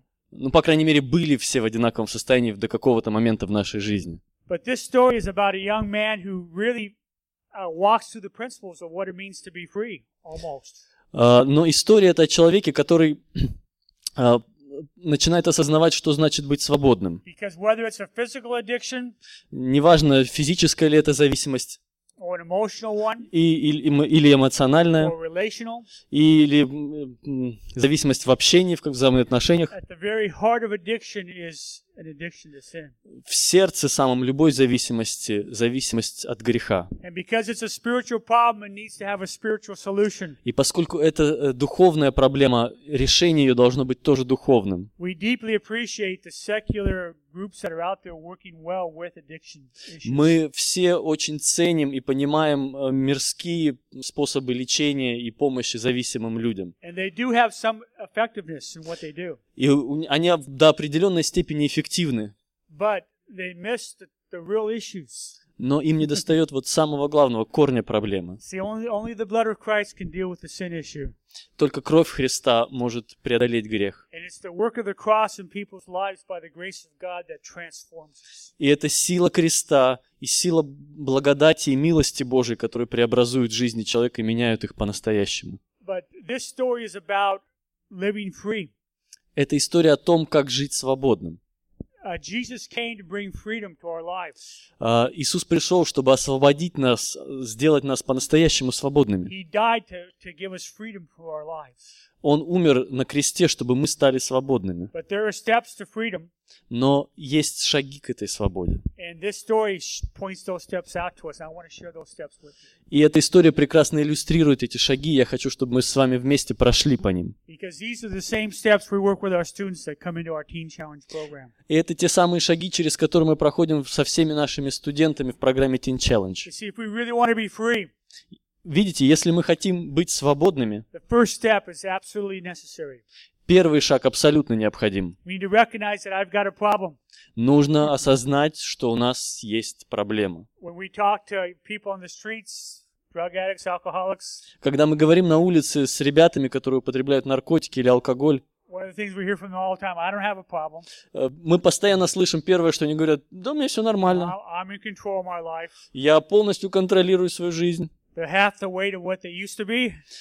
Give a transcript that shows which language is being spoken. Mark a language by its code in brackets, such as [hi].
[ru] Ну, по крайней мере, были все в одинаковом состоянии до какого-то момента в нашей жизни. [en] But this story is about a young man who really walks through the principles of what it means to be free, almost. [ru] Но история — это о человеке, который начинает осознавать, что значит быть свободным. [en] Because whether it's a physical addiction, [ru] неважно, физическая ли это зависимость, [en] or an emotional one, [ru] или эмоциональная, [en] or relational, [ru] или зависимость в общении, в взаимоотношениях. [en] At the very heart of addiction is an addiction to sin. [ru] В сердце самом любой зависимости, зависимость от греха. [en] And because it's a spiritual problem, it needs to have a spiritual solution. [ru] И поскольку это духовная проблема, решение ее должно быть тоже духовным. [en] We deeply appreciate the secular groups that are out there working well with addiction issues. [ru] Мы все очень ценим и понимаем мирские способы лечения и помощи зависимым людям. [en] And they do have some effectiveness in what they do. [ru] И они до определенной степени эффективны. [en] But they miss the real issues. [ru] Но им недостает вот самого главного, корня проблемы. [en] See, only the blood of Christ can deal with the sin issue. [ru] Только кровь Христа может преодолеть грех. [en] And it's the work of the cross in people's lives by the grace of God that transforms us. [ru] И это сила креста и сила благодати и милости Божией, которые преобразуют жизни человека и меняют их по-настоящему. [en] But this story is about living free. [ru] Это история о том, как жить свободным. [en] Jesus came to bring freedom to our lives. [ru] Иисус пришел, чтобы освободить нас, сделать нас по-настоящему свободными. [en] He died to give us freedom for our lives. [ru] Он умер на кресте, чтобы мы стали свободными. [en] But there are steps to freedom. [ru] Но есть шаги к этой свободе. [en] And this story points those steps out to us. I want to share those steps with you. [ru] И эта история прекрасно иллюстрирует эти шаги. Я хочу, чтобы мы с вами вместе прошли по ним. [en] Because these are the same steps we work with our students that come into our Teen Challenge program. [ru] И это те самые шаги, через которые мы проходим со всеми нашими студентами в программе Teen Challenge. [en] You see, if we really want to be free. [ru] Видите, если мы хотим быть свободными, [en] the first step is absolutely necessary. [ru] Первый шаг абсолютно необходим. [en] We need to recognize that I've got a problem. [ru] Нужно осознать, что у нас есть проблема. [en] When we talk to people on the streets, drug addicts, alcoholics, [ru] когда мы говорим на улице с ребятами, которые употребляют наркотики или алкоголь, [en] one of the things we hear from them all the time, I don't have a problem. [ru] Мы постоянно слышим первое, что они говорят: да, у меня все нормально. [en] I'm in control of my life. [ru] Я полностью контролирую свою жизнь. [en] They're half the way to what they used to be.